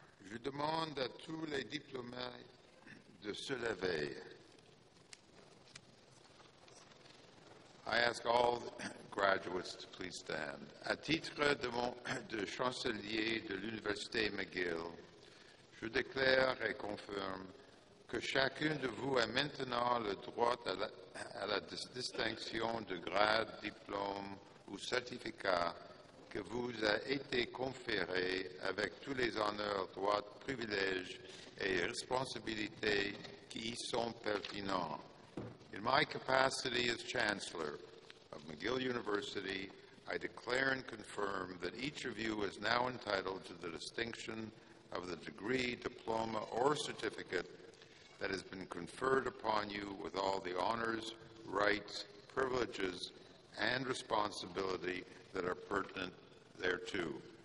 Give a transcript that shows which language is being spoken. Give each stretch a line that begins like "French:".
French: Je demande à tous les diplômés de se lever.
English: I ask all the graduates to please stand.
French: À titre de chancelier de l'Université McGill, je déclare et confirme que chacun de vous a maintenant le droit à la distinction de grade, diplôme ou certificat que vous a été conféré avec tous les honneurs, droits, privilèges et responsabilités qui y sont pertinents.
English: In my capacity as Chancellor of McGill University, I declare and confirm that each of you is now entitled to the distinction of the degree, diploma, or certificate that has been conferred upon you with all the honors, rights, privileges, and responsibility that are pertinent thereto.